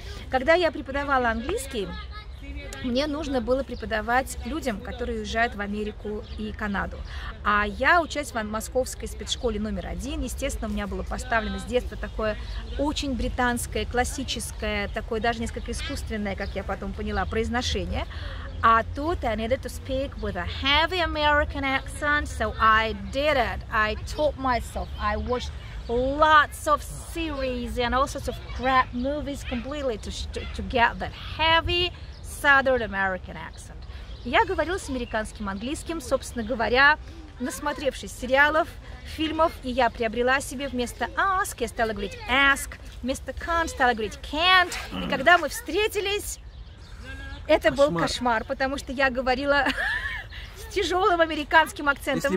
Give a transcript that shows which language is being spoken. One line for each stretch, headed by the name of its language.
Russian: Когда я преподавала английский, мне нужно было преподавать людям, которые уезжают в Америку и Канаду. А я, учась в московской спецшколе номер один, естественно, у меня было поставлено с детства такое очень британское, классическое, такое даже несколько искусственное, как я потом поняла, произношение. А тут
English: I needed to speak with a heavy American accent, so I did it. I taught myself. I watched lots of series and all sorts of crap movies completely to get that heavy Southern American accent.
Russian: Я говорила с американским английским, собственно говоря, насмотревшись сериалов, фильмов, и я приобрела себе вместо ask, я стала говорить ask, вместо can't стала говорить can't. И когда мы встретились, это был кошмар, потому что я говорила с тяжелым американским акцентом.